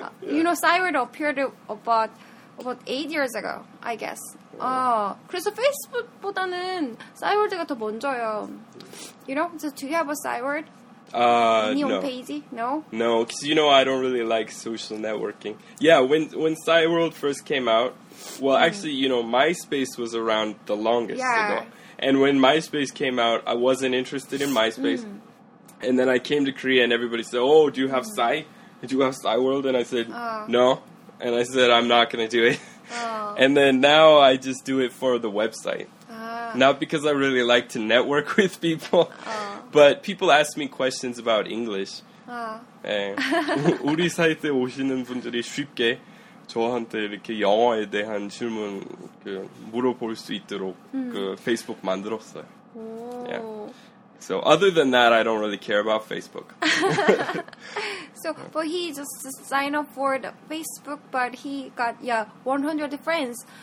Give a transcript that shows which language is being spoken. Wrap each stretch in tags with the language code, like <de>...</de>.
<en>You know, 싸이월드 appeared about 8 years ago, I guess.</en> <ko>그래서 페이스북보다는 싸이월드가 더 먼저요.</ko> <en>You know, so do you have a 싸이월드? No. Page? No? No, because you know I don't really like social networking. Yeah, when Cyworld first came out, well, actually, you know, MySpace was around the longest ago. And when MySpace came out, I wasn't interested in MySpace. And then I came to Korea and everybody said, oh, do you have Psy? Do you have Cyworld? And I said, no. And I said, I'm not going to do it. And then now I just do it for the website. Not because I really like to network with people, but people ask me questions about English.</en> <ko>우리 사이트에 오시는 분들이 쉽게 저한테 이렇게 영어에 대한 질문 그 물어볼 수 있도록 그 페이스북 만들었어요.</ko> <en>Yeah. So other than that, I don't really care about Facebook. So, but he just signed up for the Facebook, but he got 100 friends.</en>